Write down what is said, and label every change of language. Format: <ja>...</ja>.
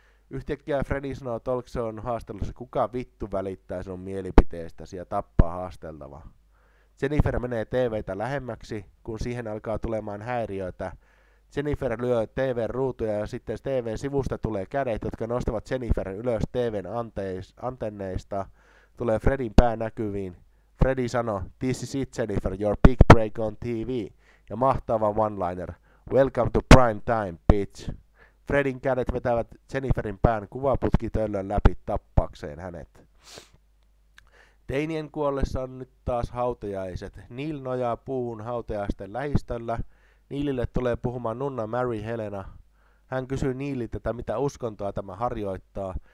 <fi>Yhtäkkiä Freddy sanoo Talkshown haastelussa, kuka vittu välittää sun mielipiteestäsi ja tappaa haasteltavaa. Jennifer menee TV:tä lähemmäksi, kun siihen alkaa tulemaan häiriöitä. Jennifer lyö TV-ruutuja ja sitten TV-sivusta tulee kädet, jotka nostavat Jenniferin ylös TV:n antenneista. Tulee Freddin pää näkyviin.</fi> <en>Freddy sanoo, this is it Jennifer, your big break on TV.</en> <fi>Ja mahtava</fi> <en>one-liner, welcome to prime time, bitch.</en> <fi>Freddin kädet vetävät Jenniferin pään kuvaputkitöllön läpi tappakseen hänet. Teinien kuollessa on nyt taas hautajaiset. Neil nojaa puuhun hautajaisten lähistöllä. Neilille tulee puhumaan nunna Mary Helena. Hän kysyy Neililtä, että mitä uskontoa tämä harjoittaa.</fi>